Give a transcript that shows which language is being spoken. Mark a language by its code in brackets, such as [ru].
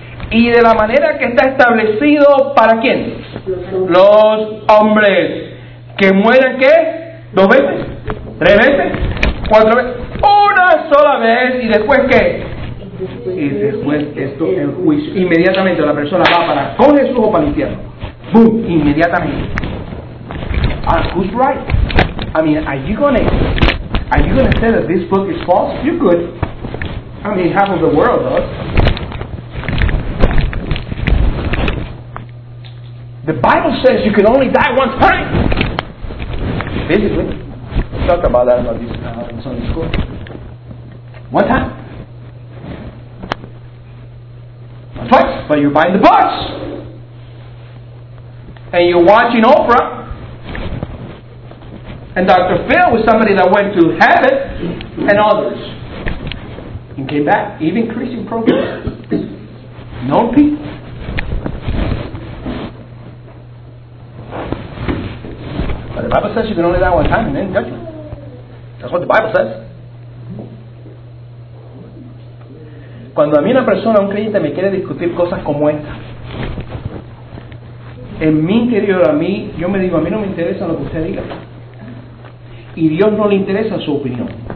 [es] Y de la manera que está establecido, ¿para quién? Los hombres. ¿Que mueren qué? ¿Dos veces? ¿Tres veces? ¿Cuatro veces? ¡Una sola vez! ¿Y después qué? Y después esto en juicio. Inmediatamente la persona va para con Jesús o para el infierno. ¡Bum! Inmediatamente. [en] Ah, who's right? I mean, are you gonna Are you going to say that this book is false? You could. I mean, half of the world does. The Bible says you can only die one time. Physically. Talk about that about this in Sunday school. One time. Twice. But you're buying the books. And you're watching Oprah. And Dr. Phil was somebody that went to heaven and others. And came back. Even increasing progress. Known people. But the Bible says you can only die one time and then judgment. That's what the Bible says. [es] Cuando a mí una persona, un creyente, me quiere discutir cosas como esta, en mi interior, a mí, yo me digo, a mí no me interesa lo que usted diga. Y Dios no le interesa su opinión.